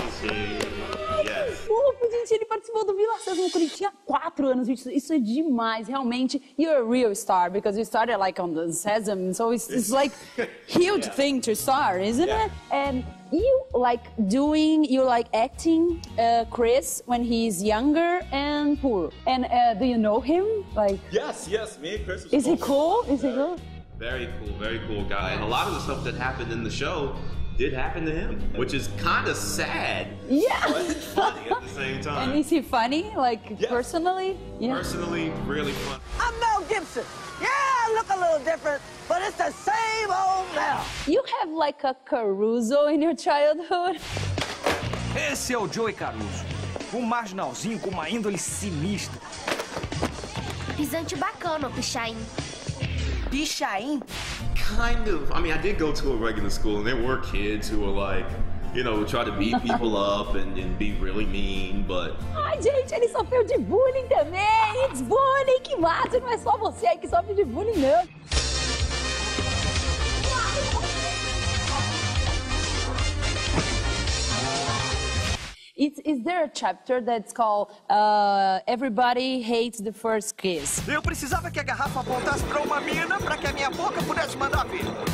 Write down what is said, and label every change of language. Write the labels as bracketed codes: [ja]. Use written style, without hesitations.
[pt] Opa, gente, ele participou do Vila Sésamo quando ele tinha 4 anos, gente. Isso é demais, realmente. [en] You're a real star, because you started like on the Sesame, so it's like huge yeah. Thing to start, isn't yeah. It? And you like doing, you like acting Chris when he's younger and poor. And do you know him? Like Yes, me and Chris. Is he cool? Is he cool? Very cool guy. And a lot of the stuff that happened in the show did happen to him, which is kind of sad. Yeah. But it's funny at the same time. And is he funny, like personally? Yeah. Personally, really funny. I'm Mel Gibson. Yeah, I look a little different, but it's the same old Mel. You have like a Caruso in your childhood? [pt] Esse é o Joey Caruso, um marginalzinho com uma índole sinistra. Pisante bacana, Pichain. Pichain? [en] Kind of. I mean, I did go to a regular school, and there were kids who were like, you know, try to beat people up and be really mean, but... [pt] Ai, gente, ele sofreu de bullying também! [en] It's bullying! [pt] Que massa! Não é só você aí que sofre de bullying, não! [en] Is there a chapter that's called Everybody Hates the First Kiss? [pt] Eu precisava que a garrafa voltasse pra uma mina pra que a minha boca pudesse mandar vir.